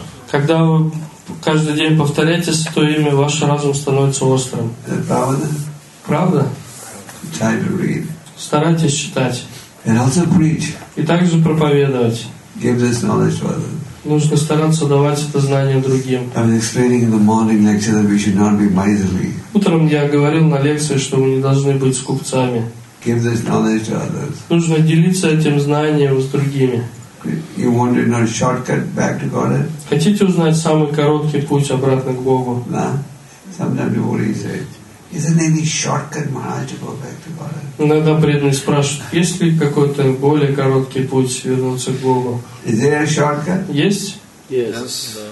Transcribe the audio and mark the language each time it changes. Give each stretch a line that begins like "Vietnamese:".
Russian: Когда вы каждый день повторяйте Святое Имя, ваш разум становится острым. Правда? Правда?
English: Try to read.
Russian: Старайтесь читать.
English: And also preach.
Russian: И также проповедовать.
English: Give this knowledge to others.
Russian: Нужно стараться давать это знание другим.
English: I'm explaining in the morning lecture that we should not be miserly.
Russian: Утром я говорил на лекции, что мы не должны быть скупцами.
English: Give this knowledge to others.
Russian: Нужно делиться этим знанием с другими.
English: You want to know shortcut back to God?
Russian: Хотите узнать самый короткий путь обратно к Богу? Да.
English: Sometimes devotees say, "Is there any shortcut, Maharaj, to go back to God?"
Russian: Иногда преданные спрашивают, есть ли какой-то более короткий путь вернуться к Богу?
English: Is there a shortcut?
Russian: Есть?
English: Yes.